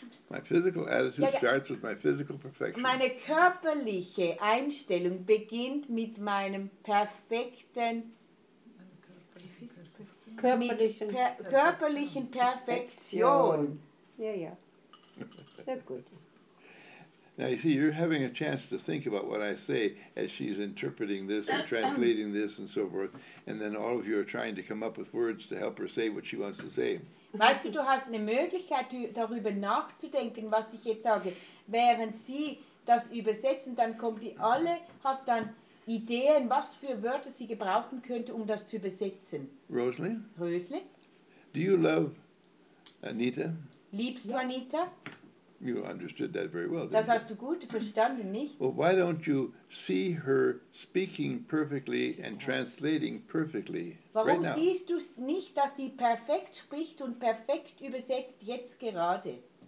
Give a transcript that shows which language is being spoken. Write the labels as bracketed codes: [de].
[en] My physical attitude starts with my physical perfection. [de] Meine körperliche Einstellung beginnt mit meinem perfekten körperlichen Perfektion. [en] Yeah. Now you see, you're having a chance to think about what I say as she's interpreting this and translating this and so forth, and then all of you are trying to come up with words to help her say what she wants to say. [de] Weißt du, du hast eine Möglichkeit, darüber nachzudenken, was ich jetzt sage, während sie das übersetzt, und dann kommt die alle, hat dann Ideen, was für Wörter sie gebrauchen könnte, um das zu übersetzen. [en] Rosalie? Do you love Anita? [de] Liebst du Anita? [en] You understood that very well, didn't you? [de] Das hast du gut verstanden, nicht? [en] Well, why don't you see her speaking perfectly and translating perfectly right now? [de] Warum siehst du nicht, dass sie perfekt spricht und perfekt übersetzt jetzt gerade?